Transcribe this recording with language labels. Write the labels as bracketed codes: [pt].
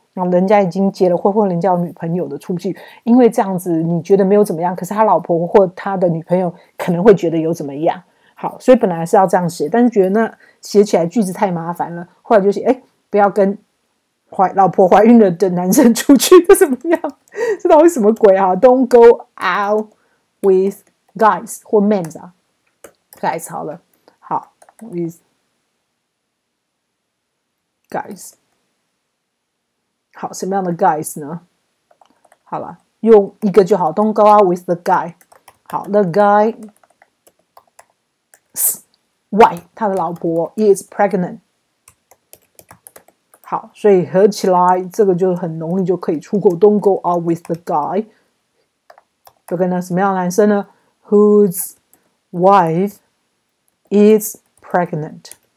[zh] 人家已经结了婚或人家有女朋友的出去，因为这样子你觉得没有怎么样，可是他老婆或他的女朋友可能会觉得有怎么样。好，所以本来是要这样写，但是觉得那写起来句子太麻烦了，后来就写哎，不要跟老婆怀孕了的男生出去怎么样，这到底什么鬼啊。 [en] Don't go out with guys 或 men 啊， guys 好了，好 with guys，好， [zh] 什么样的 [en] guys 呢？ [zh] 好吧，用一个就好。 [en] Don't go out with the guy。好 ，the guy's wife， [zh] 他的老婆 [en] is pregnant。 [zh] 好，所以合起来这个就很容易就可以出口。 [en] Don't go out with the guy。 [zh] 这个呢，什么样的男生呢 [en] ？Whose wife is pregnant？